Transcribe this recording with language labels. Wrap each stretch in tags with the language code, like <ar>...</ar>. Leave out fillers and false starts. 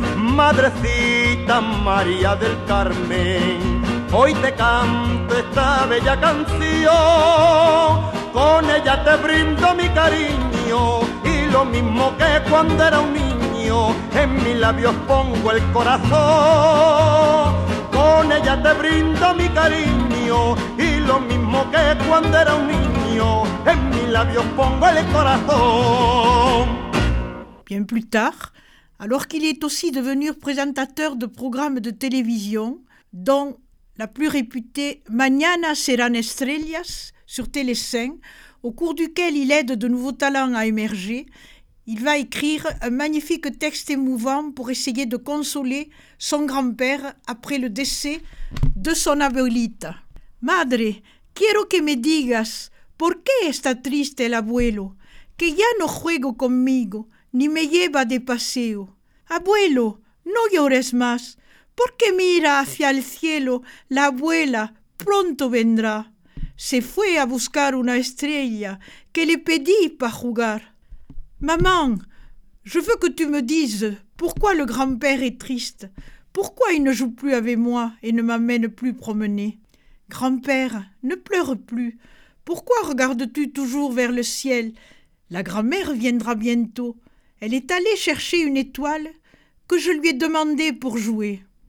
<es>Madrecita María del Carmen, hoy te canto esta bella canción, con ella te brindo mi cariño, y lo mismo que cuando era un niño, en mis labios pongo el corazón. Con ella te brindo mi cariño y lo mismo que cuando era un niño, en mis labios pongo el corazón.</es> <fr>Bien plus tard, alors qu'il est aussi devenu présentateur de programmes de télévision, dont la plus réputée Mañana serán estrellas sur Télé5, au cours duquel il aide de nouveaux talents à émerger, il va écrire un magnifique texte émouvant pour essayer de consoler son grand-père après le décès de son abuelita.</fr> <es>Madre, quiero que me digas por qué está triste el abuelo, que ya no juega conmigo ni me lleva de paseo. Abuelo, no llores más, ¿por qué mira hacia el cielo? La abuela pronto vendrá. Se fue a buscar una estrella que le pedí para jugar. Maman,</es> <fr>Je veux que tu me dises pourquoi le grand-père est triste, pourquoi il ne joue plus avec moi et ne m'amène plus promener. Grand-père, ne pleure plus. Pourquoi regardes-tu toujours vers le ciel? La grand-mère viendra bientôt. Elle est allée chercher une étoile que je lui ai demandée pour jouer.</fr>